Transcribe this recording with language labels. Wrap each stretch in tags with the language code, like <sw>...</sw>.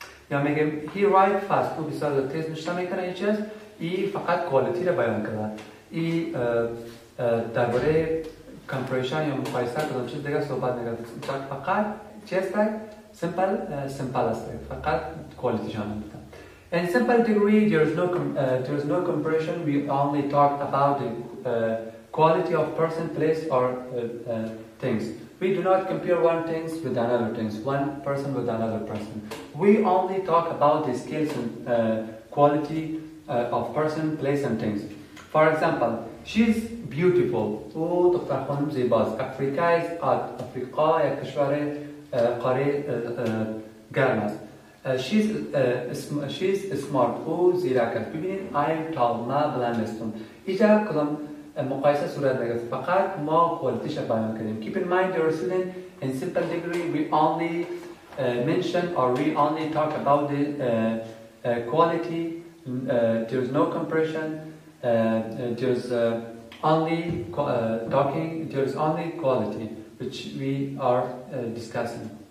<fa>یا میگیم</fa> <en>he write fast،</en> <fa>او بسیار زود تیز نشته میکنه این چیز، این فقط quality را بیان کرده. این در باره compression یا مقایسه کدام چیز دیگه صحبت نکرده، فقط چیز تک simple است، فقط quality جانب بودن.</fa> <en>In simple degree, there is no compression. We only talk about the quality of person, place, or things. We do not compare one things with another things, one person with another person. We only talk about the skills and quality of person, place, and things. For example, she's beautiful. Oh,</en> <fa>دکتر خانم زیباست.</fa> <en>Africa is hot.</en> <fa>Africa یا کشور قاره گرم است.</fa> <en>She's smart.</en> <fa>او زیرک است. ببینید</fa> <en>I'm tall.</en> <fa>ما بلند استم. اینجا کدام مقایسه صورت نگرفت، فقط ما کوالیتیش را بیان کردیم.</fa> <en>Keep in mind, dear student, in simple degree, we only mention or we only talk about the quality. There's no compression. There's only quality, which we are discussing.</en>